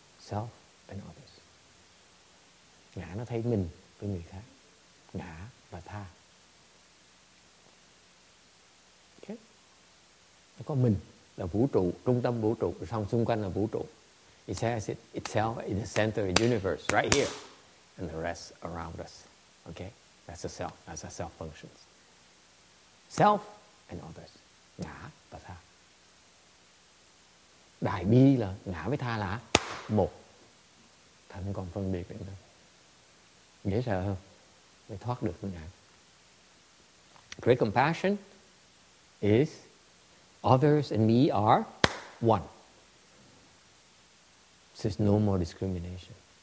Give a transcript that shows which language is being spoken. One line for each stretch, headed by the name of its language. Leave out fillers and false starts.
English: Self and others.
Vietnamese: Ngã nó thấy mình với người khác. Ngã và tha. Nó có mình là vũ trụ, trung tâm vũ trụ, xong xung quanh là vũ trụ.
English: It says it itself in the center of the universe, right here, and the rest around us. Okay? That's the self, that's the self functions. Self and others.
Vietnamese: Ngã và tha. Đại bi là ngã với tha là một. Thành còn phân biệt được nữa. Dễ sợ không? Mới thoát được ngã.
English: Great compassion is others and me are one. There's no more discrimination.